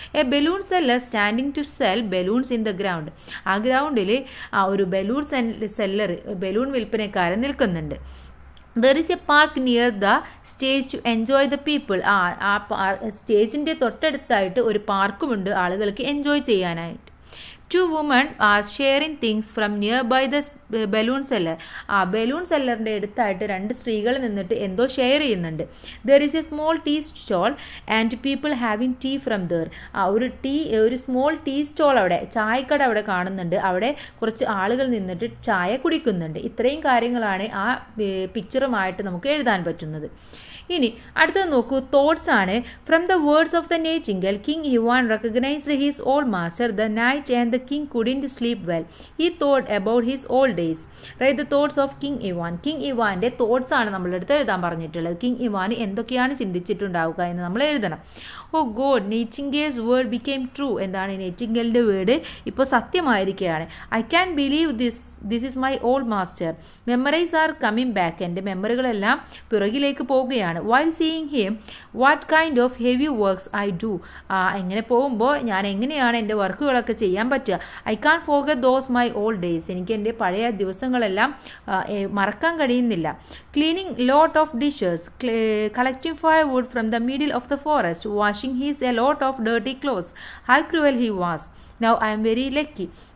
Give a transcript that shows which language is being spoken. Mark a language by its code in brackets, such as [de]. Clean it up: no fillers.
[en] a balloon seller standing to sell balloons in the ground, [ml] ആ ഗ്രൗണ്ടിൽ ആ ഒരു ബലൂൺ സെല്ലർ ബലൂൺ വിൽപ്പനക്കാരൻ നിൽക്കുന്നുണ്ട്. [en] there is a park near the stage to enjoy the people, [ml] സ്റ്റേജിൻ്റെ തൊട്ടടുത്തായിട്ട് ഒരു പാർക്കുമുണ്ട് ആളുകൾക്ക് എൻജോയ് ചെയ്യാനായിട്ട്. [en] Two women are sharing things from nearby the balloon seller. [ml] Balloon seller-ന്റെ അടുത്തായിട്ട് രണ്ട് സ്ത്രീകൾ നിന്നിട്ട് എന്തോ ഷെയർ ചെയ്യുന്നുണ്ട്. [en] There is a small tea stall and people having tea from there. [ml] ഒരു സ്മോൾ ടീ സ്റ്റോൾ, അവിടെ ചായക്കട അവിടെ കാണുന്നുണ്ട്, അവിടെ കുറച്ച് ആളുകൾ നിന്നിട്ട് ചായ കുടിക്കുന്നുണ്ട്. ഇത്രയും കാര്യങ്ങളാണ് ആ പിക്ചറുമായിട്ട് നമുക്ക് എഴുതാൻ പറ്റുന്നത്. ഇനി അടുത്തത് നോക്കൂ, തോട്ട്സ് ആണ്. [en] From the words of the nightingale, king Ivan recognised his old master. The night and the king couldn't sleep well, he thought about his old days. Right, the thoughts of king Ivan, [ml] king ഇവാൻ്റെ thoughts ആണ് നമ്മളടുത്ത് എഴുതാൻ പറഞ്ഞിട്ടുള്ളത്. King Ivan എന്തൊക്കെയാണ് ചിന്തിച്ചിട്ടുണ്ടാവുക എന്ന് നമ്മൾ എഴുതണം. [en] oh God, nightingale's word became true, [ml] എന്താണ് നൈറ്റിംഗേലിൻ്റെ word ഇപ്പോൾ സത്യമായിരിക്കുകയാണ്. [en] I can believe this is my old master. Memories are coming back, [ml] എൻ്റെ മെമ്മറികളെല്ലാം പുറകിലേക്ക് പോവുകയാണ്. [en] While seeing him, what kind of heavy works I do. [ml] എങ്ങനെ പോകുമ്പോൾ ഞാൻ എങ്ങനെയാണ് എൻ്റെ വർക്കുകളൊക്കെ ചെയ്യാൻ പറ്റുക. [en] I can forget those my old days, [ml] എനിക്ക് എൻ്റെ പഴയ ദിവസങ്ങളെല്ലാം മറക്കാൻ കഴിയുന്നില്ല. [en] Cleaning lot of dishes, collecting firewood from the middle of the forest, washing his a lot of dirty clothes, how cruel he was, now I am very lucky.